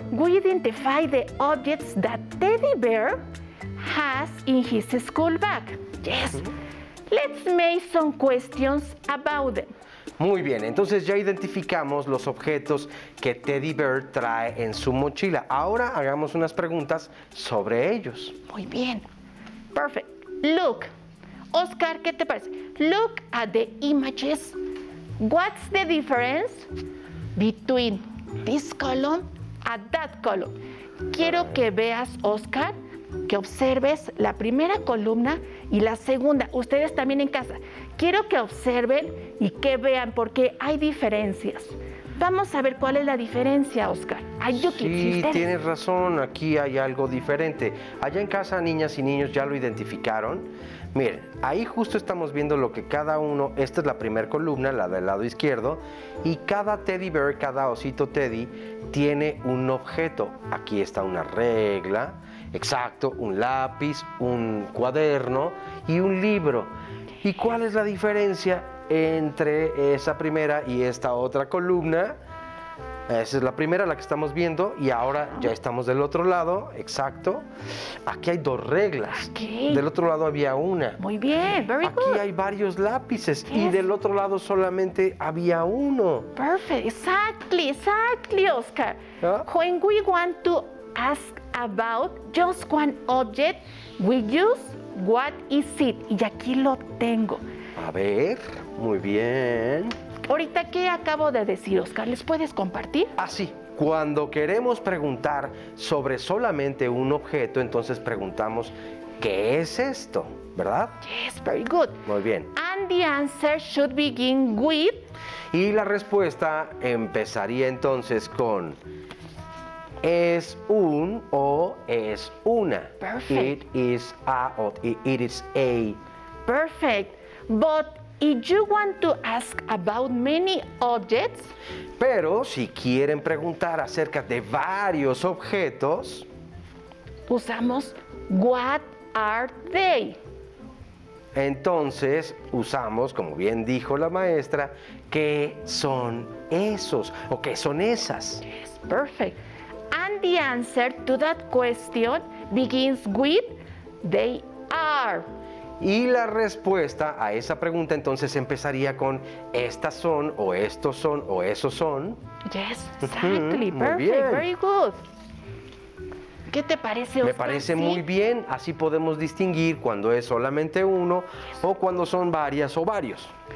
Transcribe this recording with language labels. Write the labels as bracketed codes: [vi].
[en] We identify the objects that Teddy Bear has in his school bag. Yes. Let's make some questions about them. [es] Muy bien. Entonces ya identificamos los objetos que Teddy Bear trae en su mochila. Ahora hagamos unas preguntas sobre ellos. Muy bien. [en] Perfect. Look. [es] Oscar, ¿qué te parece? [en] Look at the images. What's the difference between this column and that column? [es] Quiero que veas, Oscar, que observes la primera columna y la segunda. Ustedes también en casa. Quiero que observen y que vean porque hay diferencias. Vamos a ver cuál es la diferencia, Oscar. Ay, yo sí, tienes razón, aquí hay algo diferente. Allá en casa, niñas y niños, ¿ya lo identificaron? Miren, ahí justo estamos viendo lo que cada uno... Esta es la primera columna, la del lado izquierdo. Y cada teddy bear, cada osito teddy, tiene un objeto. Aquí está una regla, exacto, un lápiz, un cuaderno y un libro. ¿Y cuál es la diferencia entre esa primera y esta otra columna? Esa es la primera, la que estamos viendo, y ahora ya estamos del otro lado, exacto. Aquí hay dos reglas. ¿Qué? Del otro lado había una. Muy bien, [en] very good. [es] Aquí hay varios lápices, [en] yes. [es] Y del otro lado solamente había uno. [en] Perfect, exactly, exactly, Oscar. ¿Ah? When we want to ask about just one object, we use what is it. [es] Y aquí lo tengo. A ver, muy bien. Ahorita, ¿qué acabo de decir, Oscar? ¿Les puedes compartir? Ah, sí. Cuando queremos preguntar sobre solamente un objeto, entonces preguntamos, ¿qué es esto? ¿Verdad? [en] Yes, very good. [es] Muy bien. [en] And the answer should begin with... [es] Y la respuesta empezaría entonces con... Es un o es una. [en] Perfect. It is a o it is a. Perfect. But if you want to ask about many objects... [es] Pero si quieren preguntar acerca de varios objetos... Usamos [en] what are they. [es] Entonces usamos, como bien dijo la maestra, ¿qué son esos o qué son esas? [en] Yes, perfect. And the answer to that question begins with they are. [es] Y la respuesta a esa pregunta entonces empezaría con estas son, o estos son, o esos son. [en] Yes, exactly. Perfect, very good. [es] ¿Qué te parece, [en] Oscar? [es] Me parece muy bien. Así podemos distinguir cuando es solamente uno, [en] yes, [es] o cuando son varias o varios.